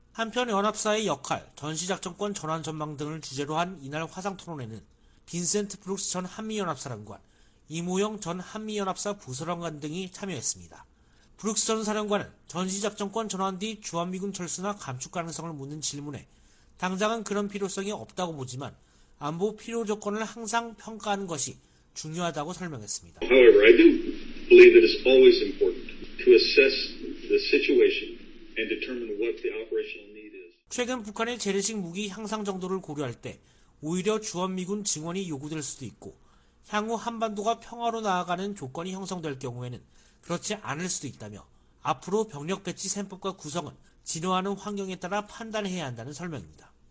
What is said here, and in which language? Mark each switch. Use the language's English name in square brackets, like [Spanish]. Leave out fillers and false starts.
[Korean] 한편 연합사의 역할, 전시작전권 전환 전망 등을 주제로 한 이날 화상토론회는 빈센트 브룩스 전 한미연합사령관, 이모영 전 한미연합사 부사령관 등이 참여했습니다. 브룩스 전 사령관은 전시작전권 전환 뒤 주한미군 철수나 감축 가능성을 묻는 질문에 당장은 그런 필요성이 없다고 보지만 안보 필요 조건을 항상 평가하는 것이 중요하다고 설명했습니다. [English] However, I do believe it is always important to assess the situation and determine what the operational need is. [Korean] 최근 북한의 재래식 무기 향상 정도를 고려할 때 오히려 주한미군 증원이 요구될 수도 있고 향후 한반도가 평화로 나아가는 조건이 형성될 경우에는 그렇지 않을 수도 있다며 앞으로 병력 배치 셈법과 구성은 진화하는 환경에 따라 판단해야 한다는 설명입니다.